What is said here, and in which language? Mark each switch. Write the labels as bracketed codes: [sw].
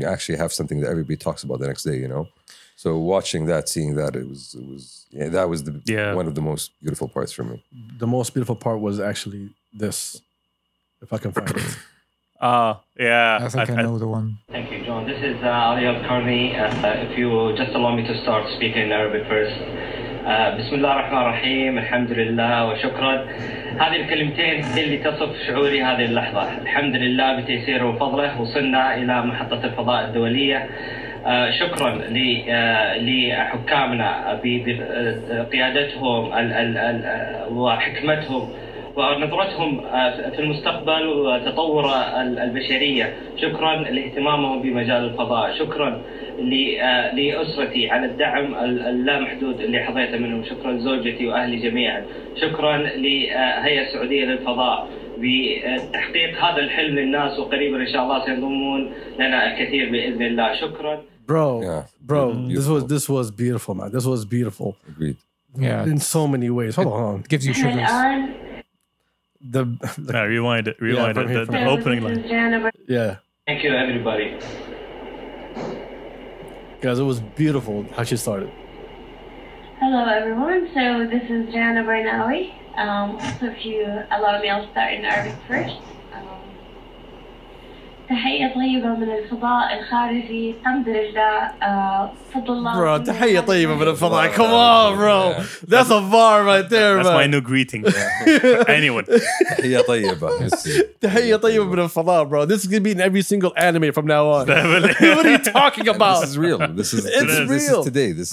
[en] You actually have something that everybody talks about the next day, you know? So watching that, seeing that, it was one of the most beautiful parts for me. The most beautiful part was actually this, if I can find it. I think I know the one. Thank you, John. This is Ali Al-Karni. If you will just allow me to start speaking in Arabic first. [ar] بسم الله الرحمن الرحيم الحمد لله وشكرا هذه الكلمتين اللي تصف شعوري هذه اللحظة الحمد لله بتيسيره وفضله وصلنا إلى محطة الفضاء الدولية شكرا لحكامنا بقيادتهم وحكمتهم ونظرتهم في المستقبل وتطور البشرية شكرا لاهتمامهم بمجال الفضاء شكرا لأسرتي على الدعم اللامحدود اللي حظيته منهم شكرا زوجتي وأهلي جميعا شكرا لهيئة السعودية للفضاء بتحقيق هذا الحلم للناس وقريبا ان شاء الله سينضمون لنا الكثير باذن الله. شكرا. [en] Bro, yeah. Bro, this was beautiful, man. This was beautiful. Agreed. Yeah, in so many ways. Hold on, it gives you sugars. The nah, rewind it. Rewind yeah, from it. Here, the opening line. Yeah. Thank you, everybody. Guys, it was beautiful how she started. Hello, everyone. So this is Jana Brainawi. So if you allow me, I'll start in Arabic first. [ar] تحية طيبة من الفضاء الخارجي حمد رجاء صد الله [en] bro [ar] تحية طيبة من الفضاء [en] come on bro that's a bar right there that's man. My new greeting for anyone [ar] تحية طيبة تحية طيبة من الفضاء [en] bro this is gonna be in every single anime from now on what are you talking about this is real this is it's real this is today this